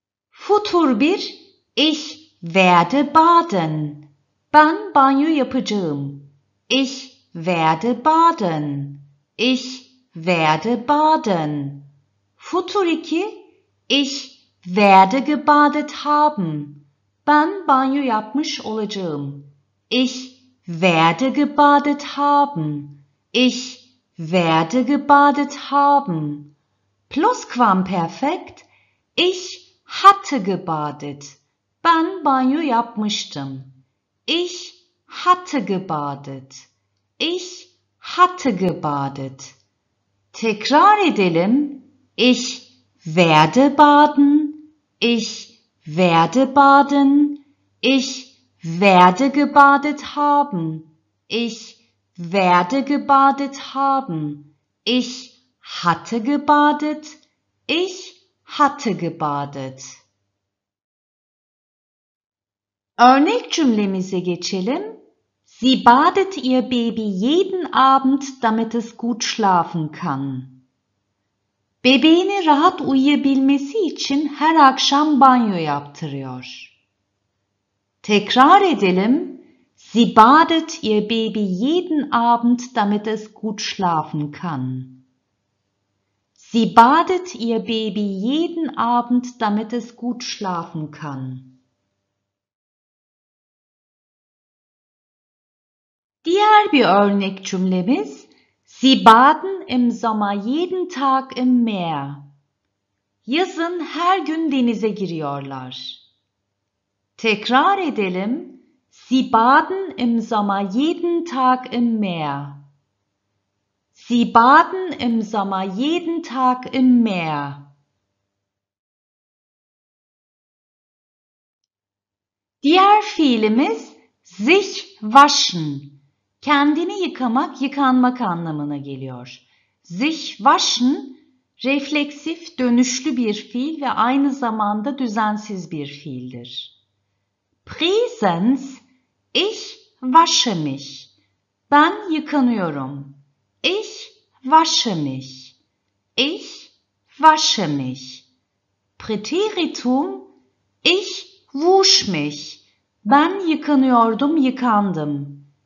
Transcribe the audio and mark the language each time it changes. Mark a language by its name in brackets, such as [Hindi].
[German] Futur 1. Ich werde baden. [Turkish] Ben banyo yapacağım. [German] Ich werde baden. Ich werde baden. Futur 2. Ich werde gebadet haben. [Turkish] Ben banyo yapmış olacağım. [German] Ich werde gebadet haben. Ich werde gebadet haben. Plusquamperfekt. Ich hatte gebadet. [Turkish] Ben banyo yapmıştım. [German] Ich hatte gebadet. Ich hatte gebadet. [Turkish] Tekrar edelim. [German] Ich werde baden. Ich werde baden. Ich werde gebadet haben. Ich werde gebadet haben. Ich hatte gebadet. Ich hatte gebadet. [Turkish] Örnek cümlemize geçelim. [German] Sie badet ihr Baby jeden Abend, damit es gut schlafen kann. [Turkish] Bebeğini rahat uyuyabilmesi için her akşam banyo yaptırıyor. Tekrar edelim. [German] Sie badet ihr Baby jeden Abend, damit es gut schlafen kann. Sie badet ihr Baby jeden Abend, damit es gut schlafen kann. [Turkish] Diğer bir örnek cümlemiz, [German] Sie baden im Sommer jeden Tag im Meer. [Turkish] Yazın her gün denize giriyorlar. Tekrar edelim, [German] Sie baden im Sommer jeden Tag im Meer. Sie baden im Sommer jeden Tag im Meer. [Turkish] Diğer fiilimiz, sich waschen. Kendini yıkamak, yıkanmak anlamına geliyor. Sich waschen, refleksif, dönüşlü bir fiil ve aynı zamanda düzensiz bir fiildir. [German] Präsens, ich wasche mich. [Turkish] Ben yıkanıyorum. [German] Ich wasche mich. Ich wasche mich. Präteritum, ich wusch mich. [Turkish] Ben yıkanıyordum, yıkandım.